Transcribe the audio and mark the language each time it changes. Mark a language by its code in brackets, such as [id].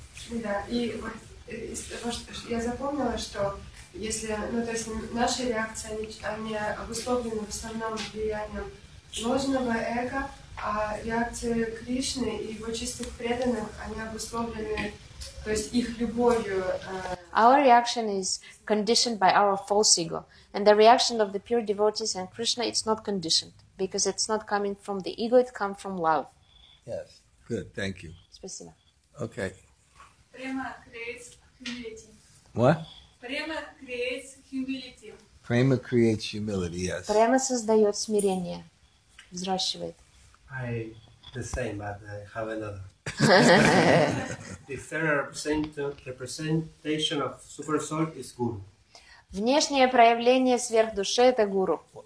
[ru] Да, и вот я запомнила, что если, ну то есть наши реакции, они обусловлены в основном влиянием ложного эго. А реакции Кришны и его чистых преданных, они обусловлены, то есть их любовью. [en] Our reaction is conditioned by our false ego. And the reaction of the pure devotees and Krishna, it's not conditioned. Because it's not coming from the ego, it comes from love. Yes, good, thank you. [ru] Спасибо. [en] Okay. Prema creates humility. What? Prema creates humility. Prema creates humility, yes. [ru] Prema создает смирение, взращивает. [en] I have another. The third representation of super soul is guru. [ru] Внешнее проявление сверхдуши это гуру.